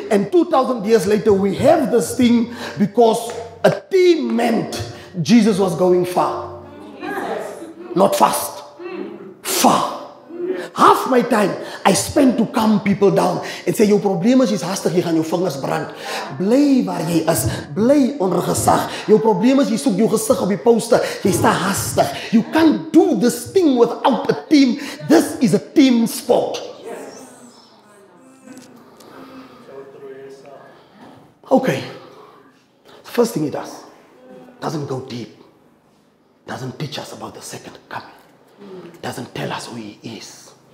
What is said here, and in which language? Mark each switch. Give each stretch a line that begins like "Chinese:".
English: And 2,000 years later, we have this thing because a team meant Jesus was going far. Jesus. Not fast. Far. Half my time I spend to calm people down and say, your problem is haastig, you gaan your fingers brand.
Afrikaans: Bly waar jy is, bly onder gesag.
English: Your problem is
Afrikaans: jy soek jou gesig op die poster. Jy sta haastig.
English: You can't do this thing without a team. This is a team sport. Okay. First thing he does, doesn't go deep. Doesn't teach us about the second coming. Doesn't tell us who he is.